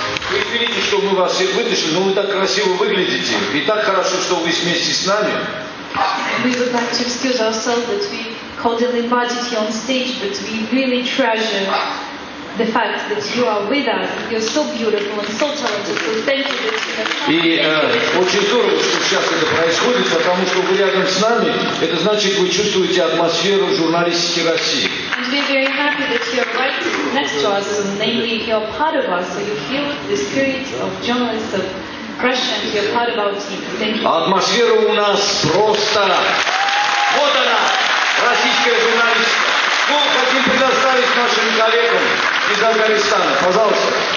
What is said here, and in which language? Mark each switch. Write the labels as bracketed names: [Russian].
[Russian] Вы извините, что мы вас всех вытащили, но вы так красиво выглядите. И так хорошо, что вы вместе с нами. [English] We would like to excuse ourselves that we cordially invited you on stage, but we really treasure the fact that you are with us. You're so beautiful and so talented, so thank you that you have come. [Russian] И очень здорово, что сейчас это происходит, потому что вы рядом с нами, это значит, вы чувствуете атмосферу журналистики России. [English] And we're very happy that you're right next to us, and namely you're part of us, so you feel the spirit of journalists of Russia, and you're part of our team. Thank you. [Russian] Атмосфера у нас просто... Вот она, российская журналистика. Мы хотим предоставить нашим коллегам из Афганистана. Пожалуйста.